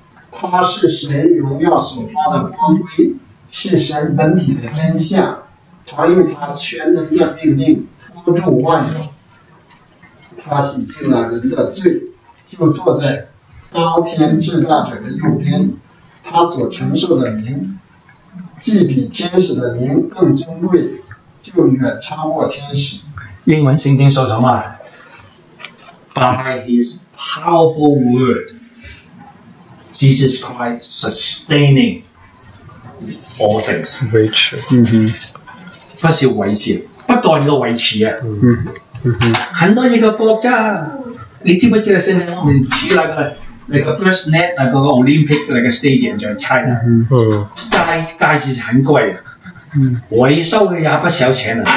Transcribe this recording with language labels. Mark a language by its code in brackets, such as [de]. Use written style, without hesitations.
[zh] 他是神荣耀所发的光辉，是神本体的真相，常用他全能的命令托住万有。他洗净了人的罪，就坐在高天至大者的右边。他所承受的名，既比天使的名更尊贵，就远超过天使。英文圣经说什么 ？ [en] By his powerful word, Jesus Christ sustaining all things. [zh] 维持，嗯哼，不是维持，不断的维持啊。嗯哼。很多一个国家，你知不知道现在我们去那个 first net 那个 Olympic 那个 stadium 在 China， 盖子很贵的，维修也不少钱的。